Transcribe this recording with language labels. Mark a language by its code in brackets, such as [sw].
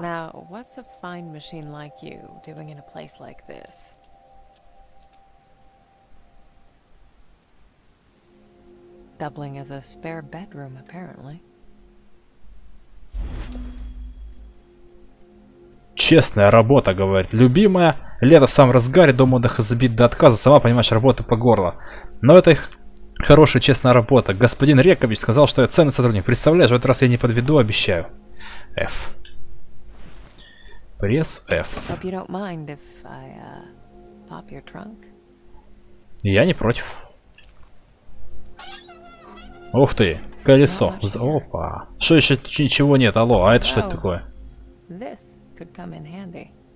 [en] Now, what's a fine machine like you doing in a place like this? Doubling as a spare bedroom, apparently. [ru] Честная работа, говорит. Любимая. Лето в самом разгаре, дом отдыха забит до отказа. Сама понимаешь, работа по горло. Но это их хорошая, честная работа. Господин Рекович сказал, что я ценный сотрудник. Представляешь, в этот раз я не подведу, обещаю. F. Пресс F. [en] Hope you don't mind if I, pop your trunk. [ru] Я не против. Ух ты, колесо. Опа. Что еще? Ничего нет. Алло, а это что это такое? [en] This could come in handy.